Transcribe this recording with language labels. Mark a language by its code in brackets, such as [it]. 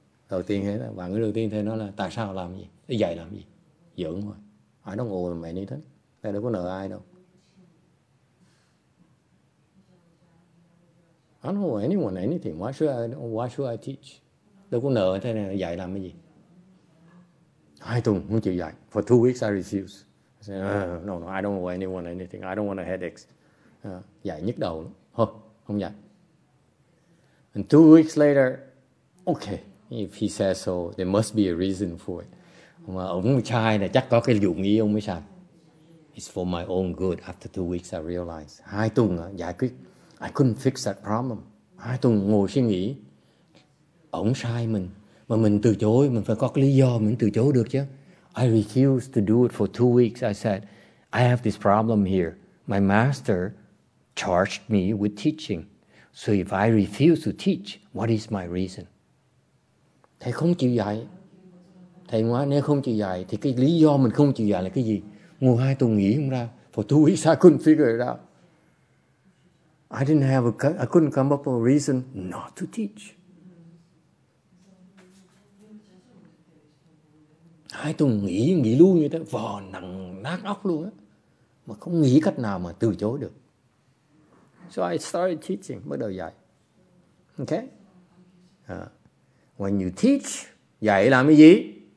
[vi] Đầu tiên thế, bạn đầu tiên thế nó là tại sao làm gì, đi dạy làm gì, dưỡng thôi. [en] I don't owe them anything. [vi] Tại đâu có nợ ai đâu. [en] I don't owe anyone anything. Why should I teach? [vi] Đâu có nợ thế này, dạy làm cái gì? 2 tuần không chịu dạy. [en] For 2 weeks, I refused. I said, no, I don't owe anyone anything. I don't want a headache. [vi] Dạy nhức đầu lắm. Huh, không dạy. [en] And 2 weeks later, okay, if he says so, there must be a reason for it. [vi] Mà ông trai này chắc có cái dụng ý ông mới sao. [en] It's for my own good. After 2 weeks, I realized. [vi] 2 tuần giải quyết. [en] I couldn't fix that problem. [vi] 2 tuần ngồi suy nghĩ. Ông sai mình. Mà mình từ chối. Mình phải có cái lý do mình từ chối được chứ. [en] I refused to do it for 2 weeks. I said, "I have this problem here. My master charged me with teaching. So if I refuse to teach, what is my reason?" [vi] Thầy không chịu dạy. Thầy nói nếu không chịu dạy thì cái lý do mình không chịu dạy là cái gì? Ngồi 2 tuần nghỉ không ra. [en] For 2 weeks I couldn't figure it out. I couldn't come up with a reason not to teach. [vi] 2 tuần nghỉ luôn như thế, vò nặng nát óc luôn á, mà không nghĩ cách nào mà từ chối được. [en] So I started teaching, [vi] bắt đầu dạy. [en] Okay. When you teach, [vi] dạy làm cái gì?